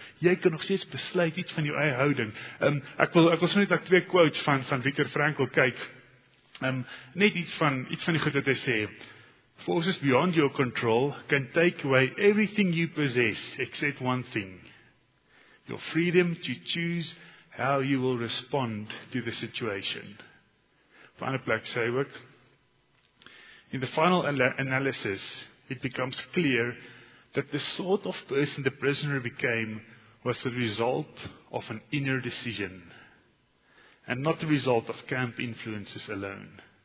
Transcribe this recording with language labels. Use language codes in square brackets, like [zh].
[af] Jy kan nog steeds besluit iets van jou eie houding. Ek wil so net ek twee quotes van Viktor Frankl kyk. Net iets van die goed wat hy sê. [en] Forces beyond your control can take away everything you possess, except one thing. your freedom to choose how you will respond to the situation. [af] Final plek sê ook, [en] in the final analysis, it becomes clear that the sort of person the prisoner became was the result of an inner decision, and not the result of camp influences alone.